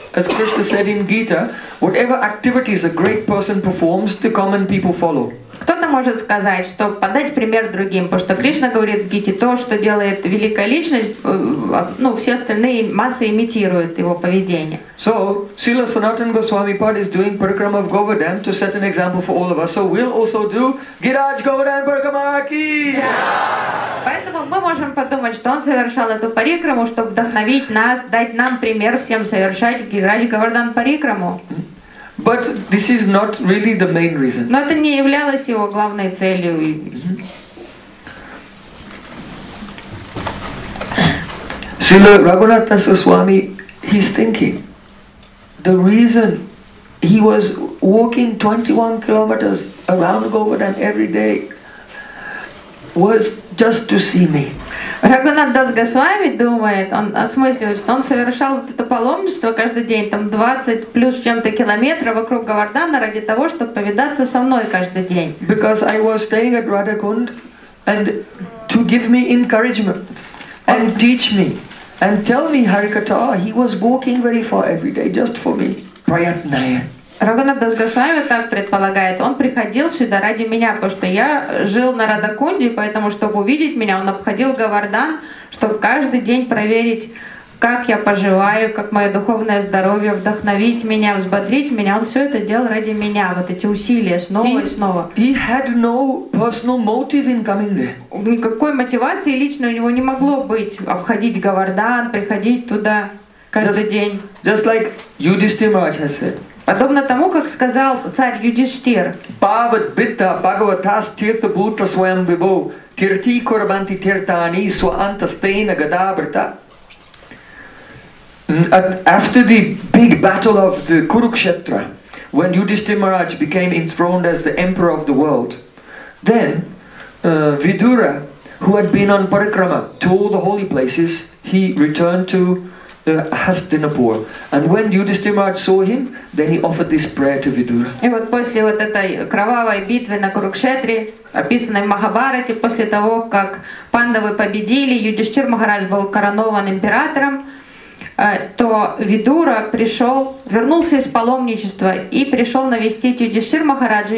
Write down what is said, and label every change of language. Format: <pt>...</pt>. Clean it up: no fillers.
<en>As Krishna said in Gita, whatever activities a great person performs, the common people follow.</en> <ru>Кто-то может сказать, что подать пример другим, потому что Кришна говорит в Гите, то, что делает великая личность, ну, все остальные массы имитируют его поведение.</ru> <en>So, Srila Sanatan Goswami Pad is doing parikrama of Govardhan to set an example for all of us. So we'll also do Giraj Govardhan Parikrama Ki!</en> <ru>Поэтому мы можем подумать, что он совершал эту парикраму, чтобы вдохновить нас, дать нам пример всем совершать Гираж Говардан Парикраму.</ru> <en>But this is not really the main reason.</en> <ru>Но это не являлось его главной целью.</ru> <en>Srila Raghunath Das Goswami, he's thinking. The reason he was walking 21 kilometers around Govardhan every day was just to see me.</en> <ru>Рагунат Дас Госвами думает, он осмысливает, что он совершал вот это паломничество каждый день, там 20 плюс чем-то километров вокруг Говардана ради того, чтобы повидаться со мной каждый день.</ru> <en>Because I was staying at Radhakund and to give me encouragement and teach me and tell me Harikatha, he was walking very far every day just for me.</en> <sa>Prayatnaya.</sa> <ru>Рагунат Дас Госвами так предполагает. Он приходил сюда ради меня, потому что я жил на Радакунде, поэтому, чтобы увидеть меня, он обходил Говардан, чтобы каждый день проверить, как я поживаю, как мое духовное здоровье, вдохновить меня, взбодрить меня. Он все это делал ради меня, вот эти усилия снова и снова.</ru> <en>He had no personal motive in coming there.</en> <ru>Никакой мотивации личной у него не могло быть обходить Говардан, приходить туда каждый день.</ru> <en>Just like Yudhishthira Maharaj has said.</en> <ru>Подобно тому, как сказал царь Юдиштир.</ru> <sa>Бхават битта бхагаватас тирта бутра своем бибу. Тирти курбанти тиртани сва антастейна гадабрита.</sa> <en>After the big battle of the Kurukshetra, when Yudhishthira Maharaj became enthroned as the emperor of the world, then Vidura, who had been on parikrama to all the holy places, he returned to Hastinapur. And when Yudhishthira Maharaj saw him, then he offered this prayer to Vidura.</en> <ru>И вот после вот этой кровавой битвы на Курукшетре, описанной в Махабарате, после того, как Пандавы победили, Юдхиштхира Махарадж был коронован императором, то Видура пришел, вернулся из паломничества и пришел навестить Юдхиштхира Махараджа.</ru>